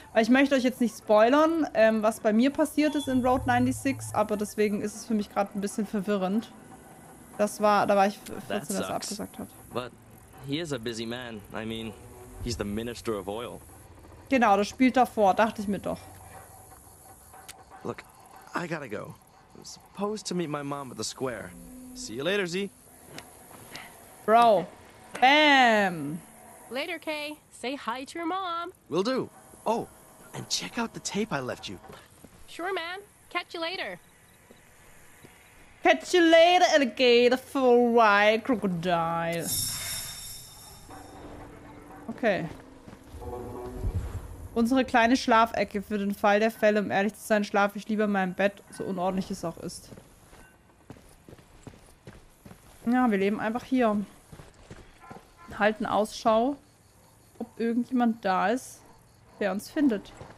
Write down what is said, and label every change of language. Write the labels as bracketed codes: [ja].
[de] Weil ich möchte euch jetzt nicht spoilern, was bei mir passiert ist in Road 96, aber deswegen ist es für mich gerade ein bisschen verwirrend. Da war ich 14, als er abgesagt hat. [en] But he is a busy man. I mean, he's the minister of oil. [de] Genau, das spielt davor, dachte ich mir doch. [en] Look, I gotta go. I'm supposed to meet my mom at the square. See you later, Z. Bro. Bam. Later, Kay. Say hi to your mom. Will do. Oh, and check out the tape I left you. Sure, man. Catch you later. Catch you later, alligator, for a while, crocodile. Okay. [de] Unsere kleine Schlafecke für den Fall der Fälle. Um ehrlich zu sein, schlafe ich lieber in meinem Bett, so unordentlich es auch ist. Ja, wir leben einfach hier. Halten Ausschau, ob irgendjemand da ist, der uns findet.